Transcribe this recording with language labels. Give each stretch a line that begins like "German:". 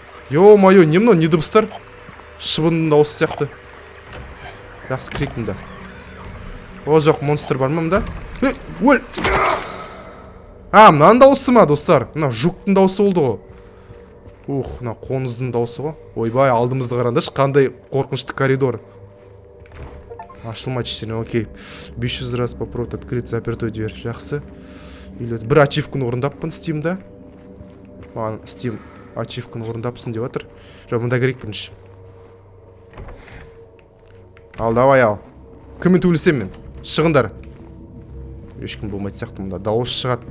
Kazakh: Йо-майо, не мынау, не дыбыстар? Шыбынның дауысы сияқты. Жақсы, кірейік мұнда. О, жоқ, монстр бар ма мұнда? Өл! А, мынаның дауысы ма, достар? Мына жуктың дауысы болды ғой. Ух, мына қоңыздың дауысы ғой. Ойбай, алдымызды қараңдаршы, қандай қорқынышты коридор. Ашылмайды ештеңе, окей.
Russian: 500 раз попробовать открыть запертую дверь.
Kazakh: Жақсы. Или бір ачивканы орындаппын Steam-да. Маған Steam ачивканы орындапсың деп отыр. Жоқ, мында керек бірінші. Ал, давай ал. Кіммен төбелесем мен? Шығыңдар. Ешкім болмайтын сияқты мұнда. Дауыс шығады.